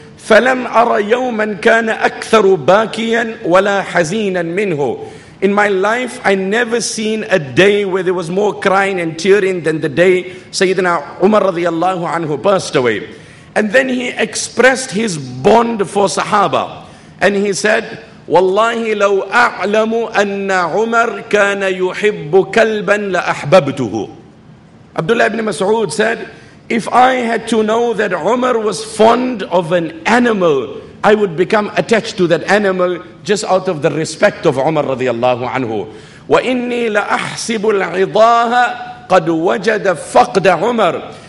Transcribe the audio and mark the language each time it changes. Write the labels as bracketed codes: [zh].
[ar] فَلَمْ أَرَ يَوْمًا كَانَ أَكْثَرُ بَاكِيًا وَلَا حَزِينًا مِنْهُ. [en] In my life, I never seen a day where there was more crying and tearing than the day Sayyidina Umar radiyallahu anhu passed away. And then he expressed his bond for Sahaba. And he said, [ar] وَاللَّهِ لَوْ أَعْلَمُ أَنَّ عُمَرْ كَانَ يُحِبُّ كَلْبًا لَأَحْبَبْتُهُ. [en] Abdullah ibn Mas'ud said, if I had to know that Umar was fond of an animal, I would become attached to that animal just out of the respect of Umar radiyallahu anhu. [ar] وَإِنِّي لَأَحْسِبُ الْعِضَاهَ قد وجد فقد عمر.